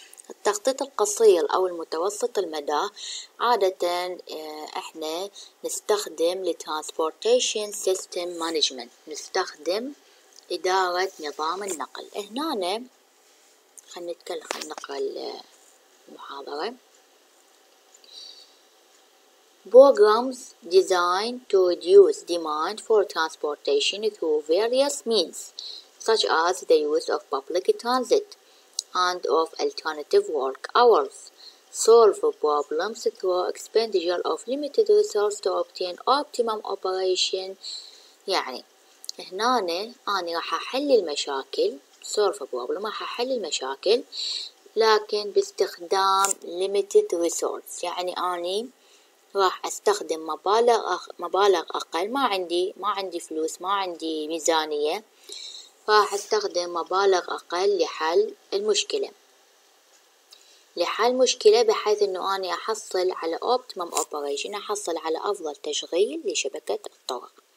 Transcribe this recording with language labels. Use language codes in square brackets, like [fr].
[ar] التخطيط القصير أو المتوسط المدى عادة إحنا نستخدم [en] transportation system management، [ar] نستخدم إدارة نظام النقل. هنا خلينا نقرأ المحاضرة. [en] Programs designed to reduce demand for transportation through various means such as the use of public transit and of alternative work hours solve problems through expenditure of limited resources to obtain optimum operation. [ar] يعني هنا أنا راح أحل المشاكل، [en] solve problem [ar] راح أحل المشاكل، لكن باستخدام [en] limited resources، [ar] يعني أنا راح أستخدم مبالغ أقل، ما عندي فلوس، ما عندي ميزانية، راح أستخدم مبالغ أقل لحل المشكلة، بحيث إنه أنا أحصل على [en] optimum operation، [ar] أحصل على أفضل تشغيل لشبكة الطرق.